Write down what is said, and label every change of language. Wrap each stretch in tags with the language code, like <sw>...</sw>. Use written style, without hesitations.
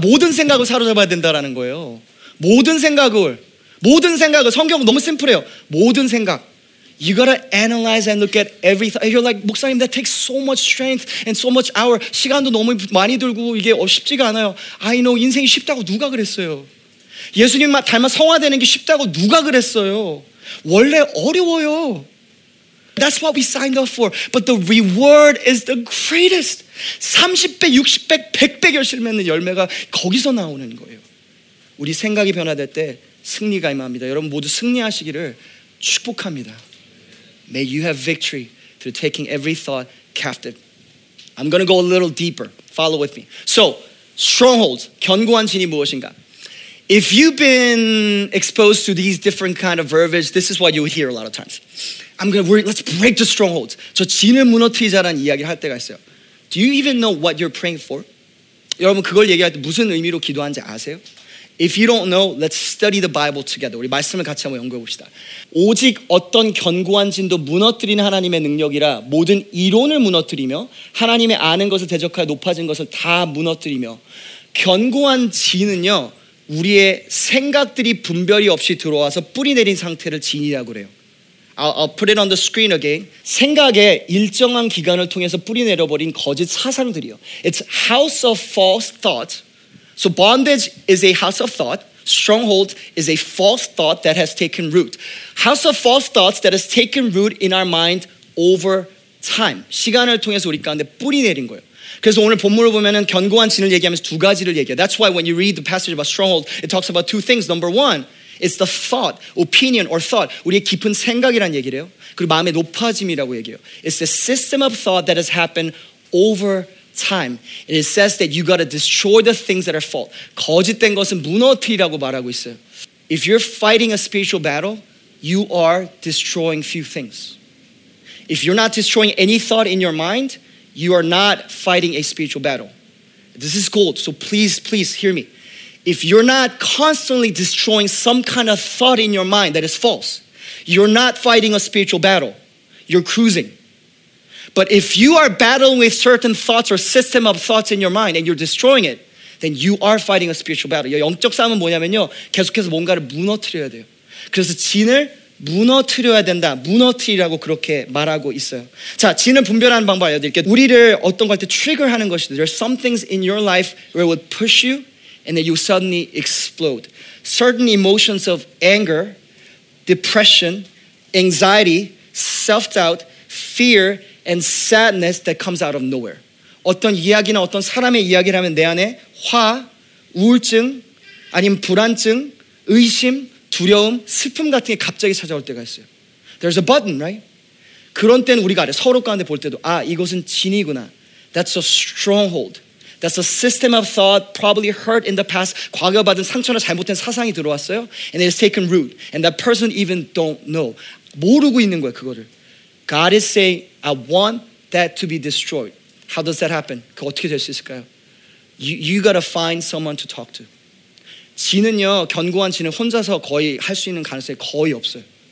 <ko>모든 생각을 사로잡아야 된다라는 거예요. 모든 생각을. 성경 너무 심플해요. 모든 생각.</ko> <en>You gotta analyze and look at every thought. You're like,</en> <ko>목사님,</ko> <en>that takes so much strength and so much hour.</en> <ko>시간도 너무 많이 들고 이게 쉽지가 않아요.</ko> <en>I know.</en> <ko>인생이 쉽다고 누가 그랬어요? 예수님 닮아 성화되는 게 쉽다고 누가 그랬어요? 원래 어려워요.</ko> <en>That's what we signed up for. But the reward is the greatest.</en> <ko>30배, 60배, 100배 결실을 맺는 열매가 거기서 나오는 거예요. 우리 생각이 변화될 때 승리가 임합니다. 여러분 모두 승리하시기를 축복합니다.</ko> <en>May you have victory through taking every thought captive. I'm going to go a little deeper. Follow with me. So, strongholds,</en> <ko>견고한 진이 무엇인가?</ko> <en>If you've been exposed to these different kind of verbiage, this is what you hear a lot of times. Let's break the strongholds.</en> <ko>저 진을 무너뜨리자라는 이야기를 할 때가 있어요.</ko> <en>Do you even know what you're praying for?</en> <ko>여러분 그걸 얘기할 때 무슨 의미로 기도하는지 아세요?</ko> <en>If you don't know, let's study the Bible together.</en> <ko>우리 말씀을 같이 한번 연구해 봅시다. 오직 어떤 견고한 진도 무너뜨리는 하나님의 능력이라 모든 이론을 무너뜨리며 하나님의 아는 것을 대적하여 높아진 것을 다 무너뜨리며 견고한 진은요. 우리의 생각들이 분별이 없이 들어와서 뿌리 내린 상태를 진이라고 그래요.</ko> <en>I'll put it on the screen again.</en> <ko>생각에 일정한 기간을 통해서 뿌리 내려버린 거짓 사상들이요.</ko> <en>It's house of false thought. So bondage is a house of thought. Stronghold is a false thought that has taken root. House of false thoughts that has taken root in our mind over</en> <ko>time, 시간을 통해서 우리 가운데 뿌리 내린 거예요. 그래서 오늘 본문을 보면은 견고한 진을 얘기하면서 두 가지를 얘기해요.</ko> <en>That's why when you read the passage about stronghold, it talks about two things. Number one, it's the thought, opinion or thought.</en> <ko>우리의 깊은 생각이란 얘기래요. 그리고 마음의 높아짐이라고 얘기해요.</ko> <en>It's the system of thought that has happened over time. And it says that you got to destroy the things that are fault.</en> <ko>거짓된 것은 무너뜨리라고 말하고 있어요.</ko> <en>If you're fighting a spiritual battle, you are destroying few things. If you're not destroying any thought in your mind, you are not fighting a spiritual battle. This is gold, so please, please hear me. If you're not constantly destroying some kind of thought in your mind that is false, you're not fighting a spiritual battle. You're cruising. But if you are battling with certain thoughts or system of thoughts in your mind and you're destroying it, then you are fighting a spiritual battle.</en> <ko>영적 싸움은 뭐냐면요, 계속해서 뭔가를 무너뜨려야 돼요. 그래서 진을 무너뜨려야 된다. 무너뜨리라고 그렇게 말하고 있어요. 자, 진을 분별하는 방법 알려드릴게요. 우리를 어떤 것 때 트리거하는 것이</ko> <en>there are some things in your life where it would push you and then you suddenly explode. Certain emotions of anger, depression, anxiety, self-doubt, fear, and sadness that comes out of nowhere.</en> <ko>어떤 이야기나 어떤 사람의 이야기를 하면 내 안에 화, 우울증, 아니면 불안증, 의심, 두려움, 슬픔 같은 게 갑자기 찾아올 때가 있어요.</ko> <en>There's a button, right?</en> <ko>그런 때는 우리가 알아요. 서로 가운데 볼 때도 아, 이것은 진이구나.</ko> <en>That's a stronghold. That's a system of thought probably hurt in the past.</en> <ko>과거 받은 상처나 잘못된 사상이 들어왔어요.</ko> <en>And it's taken root. And that person even don't know.</en> <ko>모르고 있는 거예요, 그거를.</ko> <en>God is saying, I want that to be destroyed. How does that happen?</en> <ko>그 어떻게 될 수 있을까요?</ko> <en>You gotta find someone to talk to.</en> <ko>진은요, 견고한 진은 혼자서 거의 할 수 있는 가능성이 거의 없어요.</ko>